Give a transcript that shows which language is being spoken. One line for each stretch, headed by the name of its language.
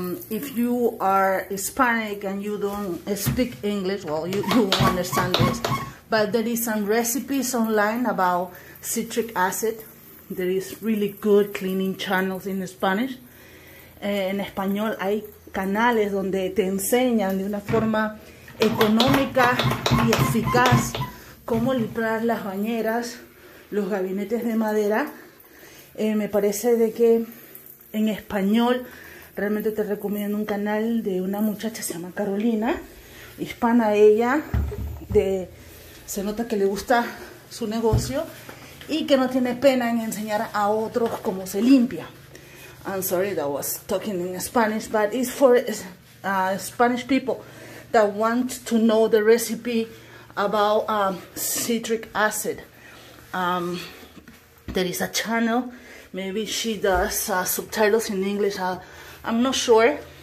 English: If you are Hispanic and you don't speak English, well, you won't understand this. But there is some recipes online about citric acid. There is really good cleaning channels in Spanish.
Spanish: En español hay canales donde te enseñan de una forma económica y eficaz cómo limpiar las bañeras, los gabinetes de madera. Me parece de que en español realmente te recomiendo un canal de una muchacha, se llama Carolina, hispana ella, se nota que le gusta su negocio y que no tiene pena en enseñar a otros cómo se limpia.
English: I'm sorry that I was talking in Spanish, but it's for Spanish people that want to know the recipe about citric acid. There is a channel, maybe she does subtitles in English, I'm not sure.